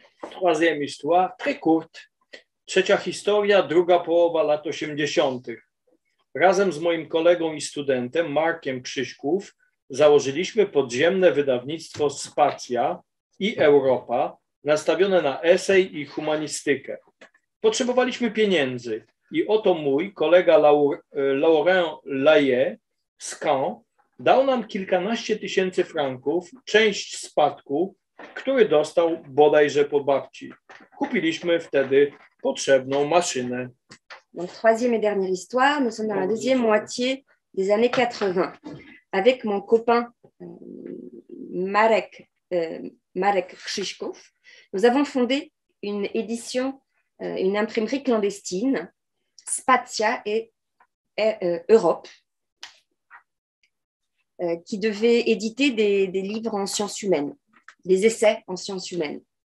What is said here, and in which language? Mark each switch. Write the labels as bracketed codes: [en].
[fr] Troisième histoire très courte. [pl] Trzecia historia, druga połowa lat 80. Razem z moim kolegą i studentem Markiem Krzyśków założyliśmy podziemne wydawnictwo Spacja i Europa nastawione na esej i humanistykę. Potrzebowaliśmy pieniędzy i oto mój kolega Laurent Laye z Caen dał nam kilkanaście tysięcy franków, część spadku, który dostał bodajże po babci. Kupiliśmy wtedy potrzebną maszynę. [fr] Donc, troisième et dernière histoire, nous sommes dans la deuxième moitié des années 80. Avec mon copain Marek Krzyszkow, nous avons fondé une édition, une imprimerie clandestine, Spatia et Europe, qui devait éditer des livres en sciences humaines, des essais en sciences humaines.